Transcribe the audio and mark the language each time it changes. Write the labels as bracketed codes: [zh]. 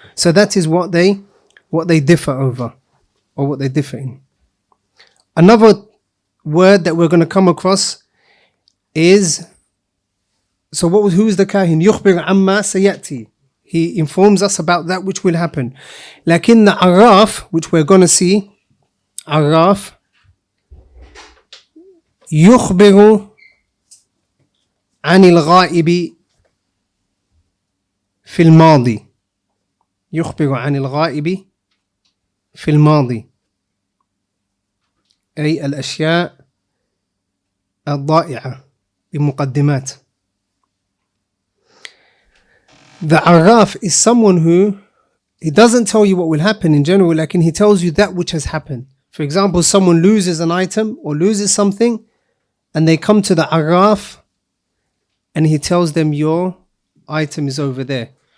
[en] So that is what they differ over, or what they differ in. Another word that we're going to come across is, so who is the kahin? [ar] يخبر عما سيأتي. [en] He informs us about that which will happen. [ar] لكن العراف, [en] which we're going to see, [ar] عراف يخبر عن الغائب في الماضي. يخبر عن الغائب في الماضي. أي الأشياء الضائعة بمقدمات. [en] The Araf is someone who, he doesn't tell you what will happen in general, like, and he tells you that which has happened. For example, someone loses an item or loses something and they come to the Araf and he tells them your item is over there.